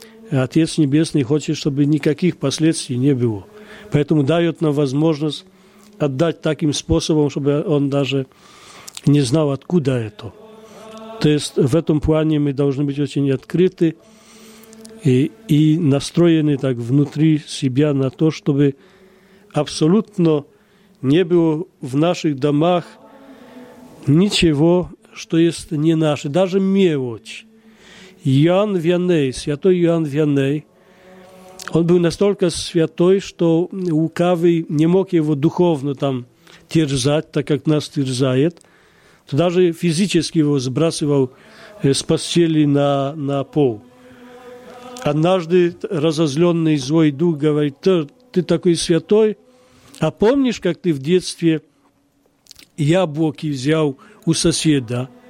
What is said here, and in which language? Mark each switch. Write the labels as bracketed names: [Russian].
[Russian] Отец Небесный хочет, чтобы никаких последствий не было. Поэтому дает нам возможность отдать таким способом, чтобы он даже не знал, откуда это. То есть в этом плане мы должны быть очень открыты. [Ukrainian] і настроєні так внутрі себе на те, щоб абсолютно не було в наших домах нічого, що є не наше, навіть мелочь. Іоанн Віанней, святой Іоанн Віанней, он був настільки святой, що лукавий [Russian] не мог [Ukrainian] його духовно там терзати, так як нас терзає. [Russian] То даже физически его сбрасывал с постели на пол. Однажды разозленный злой дух говорит: ты такой святой, а помнишь, как ты в детстве яблоки взял у соседа?